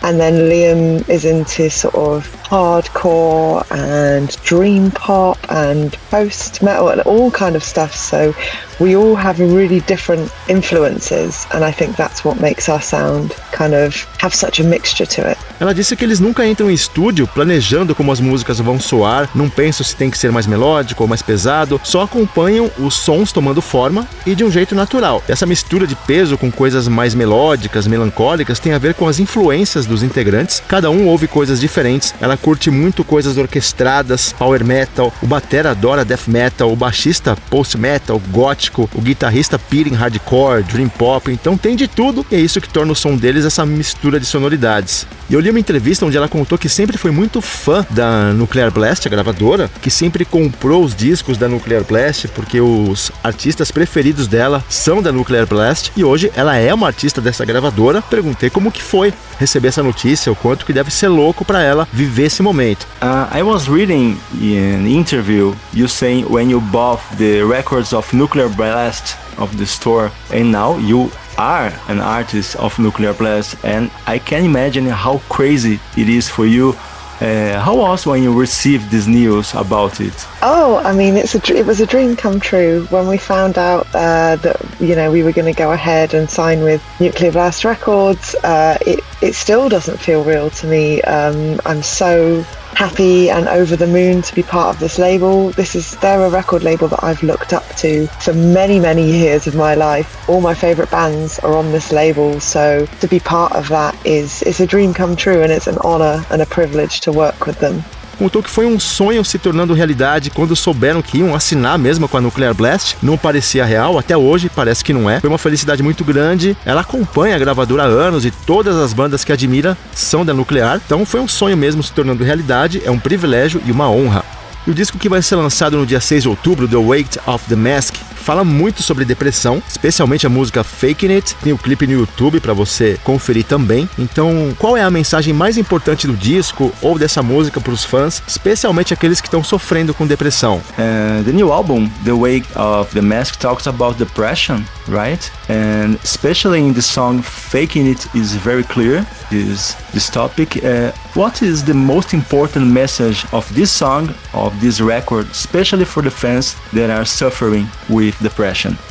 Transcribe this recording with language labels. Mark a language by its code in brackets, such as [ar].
[en] And then Liam is into sort of hardcore and dream pop and post metal and all kind of stuff. So we all have really different influences, and I think that's what makes our sound kind of have such a mixture to it. [pt] Ela disse que eles nunca entram em estúdio planejando como as músicas vão soar, não pensam se tem que ser mais melódico ou mais pesado, só acompanham os sons tomando forma e de um jeito natural. Essa mistura de peso com coisas mais melódicas, melancólicas, tem a ver com as influências dos integrantes. Cada um ouve coisas diferentes. Ela curte muito coisas orquestradas, power metal, o batera adora death metal, o baixista post metal, gótico, o guitarrista peering hardcore, dream pop, então tem de tudo, e é isso que torna o som deles essa mistura de sonoridades. E eu li uma entrevista onde ela contou que sempre foi muito fã da Nuclear Blast, a gravadora, que sempre comprou os discos da Nuclear Blast, porque os artistas preferidos dela são da Nuclear Blast, e hoje ela é uma artista dessa gravadora. Perguntei como que foi receber essa notícia, o quanto que deve ser louco pra ela viver esse momento. [en] I was reading in an interview you saying when you bought the records of Nuclear Blast of the store, and now you are an artist of Nuclear Blast, and I can imagine how crazy it is for you. How was when you received this news about it? Oh, I mean, it was a dream come true when we found out that, you know, we were going to go ahead and sign with Nuclear Blast Records. It still doesn't feel real to me. I'm so happy and over the moon to be part of this label. They're a record label that I've looked up to for many, many years of my life. All my favorite bands are on this label, so to be part of that is a dream come true, and it's an honor and a privilege to work with them. [pt] Contou que foi um sonho se tornando realidade quando souberam que iam assinar mesmo com a Nuclear Blast. Não parecia real, até hoje parece que não é. Foi uma felicidade muito grande. Ela acompanha a gravadora há anos e todas as bandas que admira são da Nuclear. Então foi um sonho mesmo se tornando realidade. É um privilégio e uma honra. E o disco que vai ser lançado no dia 6 de outubro, The Weight of the Mask, fala muito sobre depressão, especialmente a música Faking It. Tem o clipe no YouTube para você conferir também. Então, qual é a mensagem mais importante do disco ou dessa música para os fãs, especialmente aqueles que estão sofrendo com depressão? [en] The new album, The Weight of the Mask, talks about depression, right? And especially in the song Faking It is very clear, this topic. What is the most important message of this song, of this record, especially for the fans that are suffering with depression?